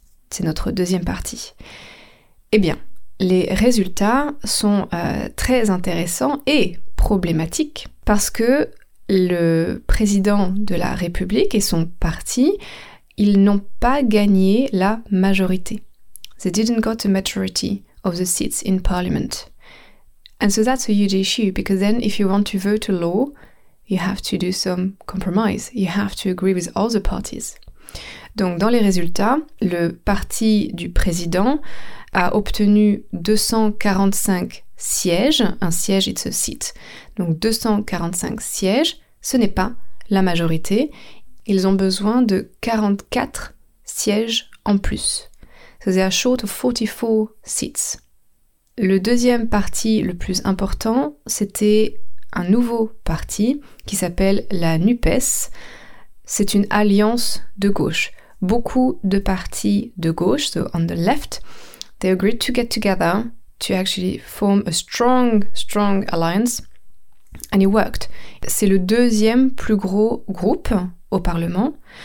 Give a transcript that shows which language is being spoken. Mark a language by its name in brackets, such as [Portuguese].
[French] C'est notre deuxième partie. Eh bien, les résultats sont très intéressants et problématiques parce que le président de la République et son parti, ils n'ont pas gagné la majorité. [English] They didn't got a majority of the seats in parliament. And so that's a huge issue because then if you want to vote a law, you have to do some compromise. You have to agree with all the parties. [French] Donc dans les résultats, le parti du président a obtenu 245 sièges. Un siège, [English] it's a seat. [French] Donc 245 sièges, ce n'est pas la majorité. Ils ont besoin de 44 sièges en plus. [English] So they are short of 44 seats. [French] Le deuxième parti le plus important, c'était un nouveau parti qui s'appelle la NUPES. C'est une alliance de gauche. Beaucoup de partis de gauche, [English] so on the left, they agreed to get together to actually form a strong, strong alliance, and it worked. [French] C'est le deuxième plus gros groupe au Parlement.